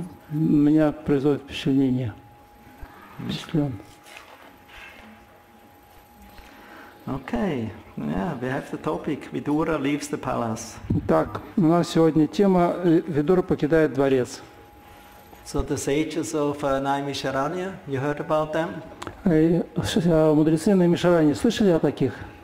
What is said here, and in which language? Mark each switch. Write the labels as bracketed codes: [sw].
[ru] Меня производит впечатление. Впечатлен. [en] Okay. Yeah, we have the topic. Vidura leaves the palace. [ru] Так, у нас сегодня тема Видура покидает дворец. [en] So the sages of Naimisharanya, you heard about them? [ru] Мудрецы Наимишараньи, слышали о таких?